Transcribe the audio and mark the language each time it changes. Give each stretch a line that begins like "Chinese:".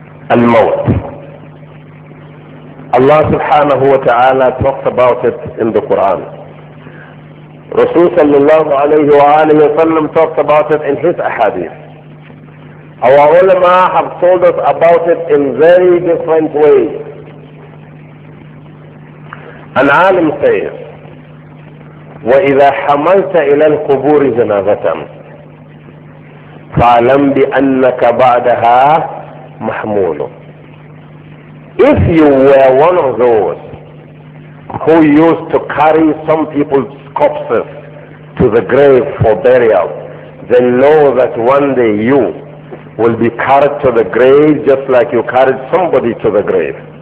English: Al-Mawt. Allah subhanahu wa ta'ala talks about it in the Quran. Rasul sallallahu alayhi wa alayhi wa sallam talks about it in his ahadith. Our ulama have told us about it in very different ways. An alim says,
Arabic: وَإِذَا حَمَلْتَ إِلَى الْقُبُورِ جَنَازَةً فَعَلَمْ بِأَنَّكَ بَعْدَهَا مَحْمُولٌ.
English: If you were one of those who used to carry some people's corpses to the grave for burial, then know that one day you will be carried to the grave just like you carried somebody to the grave.